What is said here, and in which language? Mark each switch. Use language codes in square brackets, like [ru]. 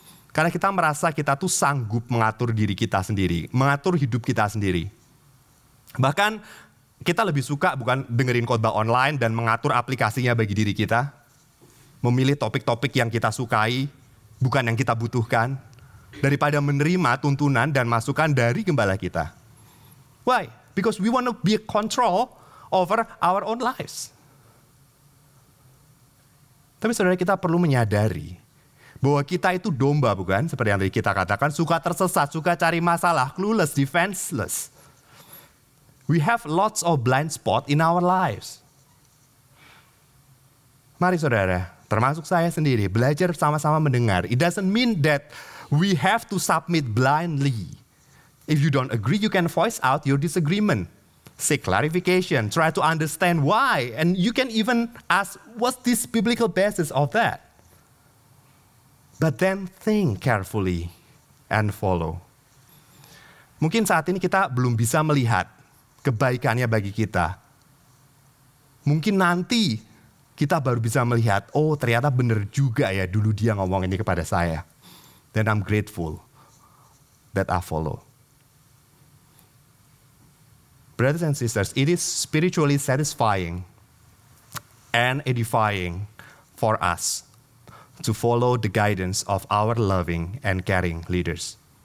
[id] Karena kita merasa kita tuh sanggup mengatur diri kita sendiri, mengatur hidup kita sendiri. Bahkan kita lebih suka, bukan, dengerin khotbah online dan mengatur aplikasinya bagi diri kita. Memilih topik-topik yang kita sukai, bukan yang kita butuhkan. Daripada menerima tuntunan dan masukan dari gembala kita. [en] Why? Because we want to be control over our own lives. [id] Tapi saudara, kita perlu menyadari bahwa kita itu domba, bukan? Seperti yang tadi kita katakan, suka tersesat, suka cari masalah, [en] clueless, defenseless. We have lots of blind spot in our lives. [id] Mari saudara, termasuk saya sendiri, belajar sama-sama mendengar. [en] It doesn't mean that we have to submit blindly. If you don't agree, you can voice out your disagreement. Seek clarification. Try to understand why. And you can even ask, what's this biblical basis of that? But then think carefully and follow. [id] Mungkin saat ini kita belum bisa melihat kebaikannya bagi kita. Mungkin nanti kita baru bisa melihat, oh ternyata benar juga ya dulu dia ngomong ini kepada saya. [en] Then I'm grateful that I follow. Brothers and sisters, it is spiritually satisfying and edifying for us to follow the guidance of our loving and caring leaders.